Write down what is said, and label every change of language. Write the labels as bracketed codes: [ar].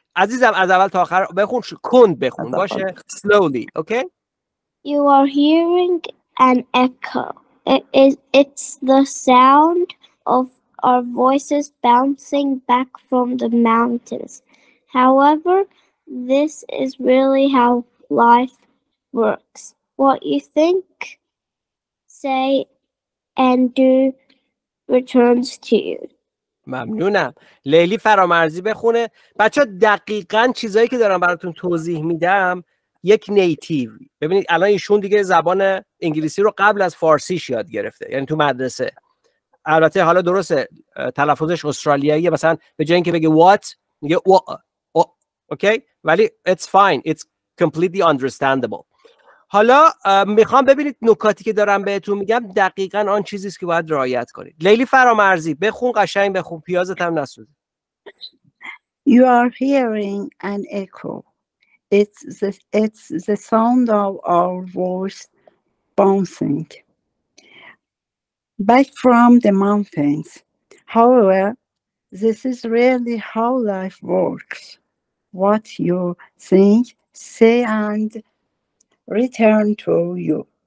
[fa] عزیزم از اول تا آخر بخون، کند بخون باشه، slowly. [en] Okay, you are hearing an echo. It's the sound of our voices bouncing back from the mountains. However, this is really how life works. What you think, say, and do returns to you. [fa] ممنونم. لیلی فرامرزی بخونه. بچه دقیقاً چیزایی که دارم براتون توضیح میدم یک نیتیو. ببینید الان ایشون دیگه زبان انگلیسی رو قبل از فارسیش یاد گرفته، یعنی تو مدرسه. البته حالا درسته تلفظش استرالیاییه، مثلا به جای اینکه بگه what میگه او اوکی، ولی [en] it's fine, it's completely understandable. [fa] حالا میخوام ببینید نکاتی که دارم بهتون میگم دقیقاً آن چیزی است که باید رعایت کنید. لیلی فرامرزی بخون، قشنگ بخون، پیازت هم نسوزه. [en] You are hearing an echo. It's the sound of our voice bouncing back from the mountains. However, this is really how life works. What you think, say and return to you.